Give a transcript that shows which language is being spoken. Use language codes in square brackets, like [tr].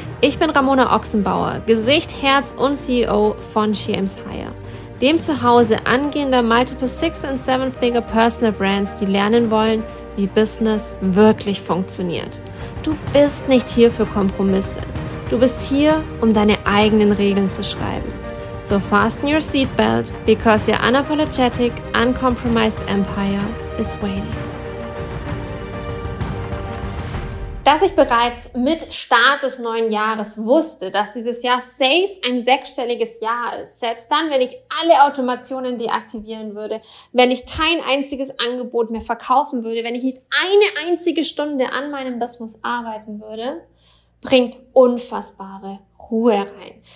[de] Ich bin Ramona Ochsenbauer, Gesicht, Herz und CEO von She Aims Higher, dem Zuhause angehender Multiple Six- und Seven-Figure Personal Brands, die lernen wollen, wie Business wirklich funktioniert. Du bist nicht hier für Kompromisse. Du bist hier, um deine eigenen Regeln zu schreiben. [en] So fasten your seatbelt, because your unapologetic, uncompromised empire is waiting. [de] Dass ich bereits mit Start des neuen Jahres wusste, dass dieses Jahr safe ein sechsstelliges Jahr ist, selbst dann, wenn ich alle Automationen deaktivieren würde, wenn ich kein einziges Angebot mehr verkaufen würde, wenn ich nicht eine einzige Stunde an meinem Business arbeiten würde, bringt unfassbare Ruhe rein.